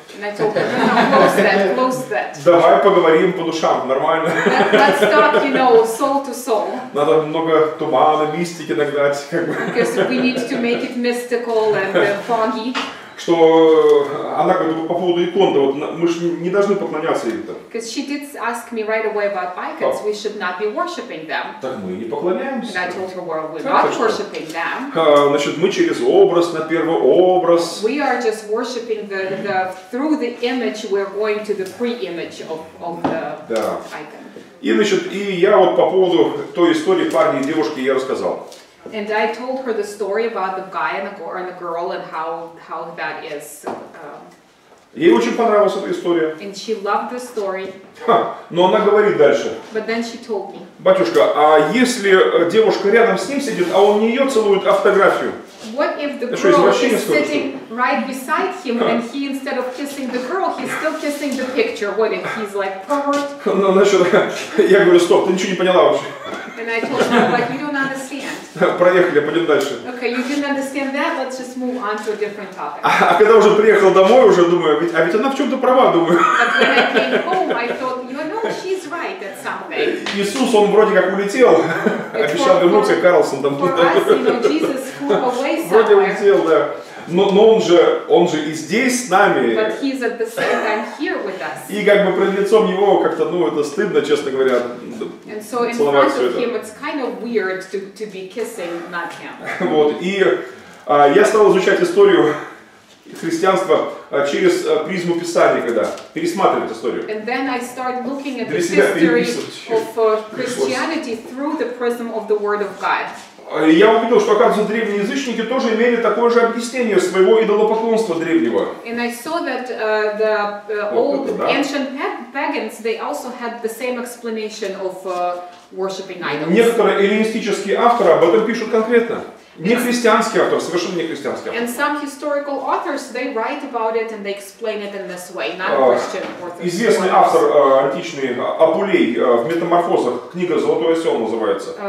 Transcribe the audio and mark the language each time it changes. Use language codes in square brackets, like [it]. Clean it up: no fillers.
[en] And I told her, no, close that, close that. [ru] Давай поговорим по душам, нормально. [en] Let's talk, you know, soul to soul. [ru] Надо много тумана, мистики нагнать, как бы. [en] Because we need to make it mystical and foggy. [ru] Что она как бы по поводу икон, да, вот мы же не должны поклоняться им-то. [en] Because she did ask me right away about icons, we should not be worshiping them. [ru] Так мы и не поклоняемся. [en] And I told her, well, we're not worshiping them. [ru] Значит, мы через образ, на первый образ. [en] We are just worshiping the through the image, we're going to the pre-image of the [ru] да. [en] Icon. [ru] И, значит, и я вот по поводу той истории парня и девушки я рассказал. [en] And I told her the story about the guy and the girl and how that is. [ru] Ей очень понравилась эта история. [en] And she loved the story. [ru] Ха, но она говорит дальше. [en] But then she told me. [ru] Батюшка, а если девушка рядом с ним сидит, а он не ее целует, а фотографию? [en] What if the girl is sitting right beside him and he instead of kissing the girl, he's still kissing the picture? What if he's like pervert? [ru] Ну, значит, я говорю, стоп, ты ничего не поняла вообще. [en] And I told her, but you don't understand. [ru] Проехали, пойдем дальше. [en] Okay, you didn't understand that, let's just move on to a different topic. [ru] А когда уже приехал домой, уже думаю, ведь она в чем-то права, думаю. [en] But when I came home, I thought, you know, she's right at something. [ru] Иисус, он вроде как улетел, обещал вернуться, Карлсон там. [en] For us, you know, Jesus flew away somewhere. [ru] Вроде улетел, да. Но он же и здесь с нами. [en] But he's at the same time here with us. [ru] И как бы пред лицом его как-то, ну, это стыдно, честно говоря. [en] And so in front of him it's kind of weird to be kissing, not him. [ru] Вот, и я стал изучать историю христианства через призму Писания, когда пересматривать историю. [en] And then I start looking at the history of Christianity through the prism of the Word of God. [ru] Я увидел, что, оказывается, древние язычники тоже имели такое же объяснение своего идолопоклонства древнего. [en] And I saw that the old ancient pagans, they also had the same explanation of worshiping idols. [ru] Некоторые эллинистические авторы об этом пишут конкретно. Не христианский автор, совершенно не христианский автор. [en] And some historical authors, they write about it and they explain it in this way, not Christian authors. [ru] Известный автор античный, Апулей, в «Метаморфозах», книга «Золотой осел» называется.